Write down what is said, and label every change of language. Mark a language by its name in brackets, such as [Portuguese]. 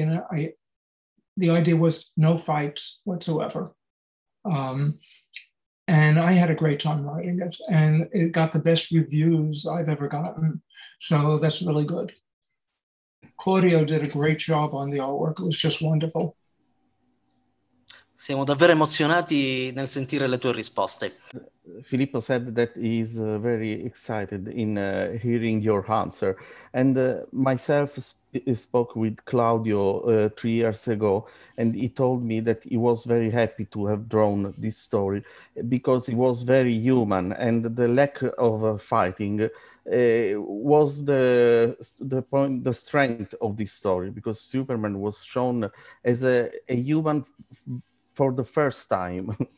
[English] And the idea was no fights whatsoever. And I had a great time writing it, and it got the best reviews I've ever gotten. So that's really good. Claudio did a great job on the artwork. It was just wonderful. [Italian] Siamo davvero emozionati nel sentire le tue risposte. [English] Filippo said that he is very excited in hearing your answer. And myself spoke with Claudio 3 years ago, and he told me that he was very happy to have drawn this story because it was very human, and the lack of fighting was the point, the strength of this story, because Superman was shown as a human for the first time.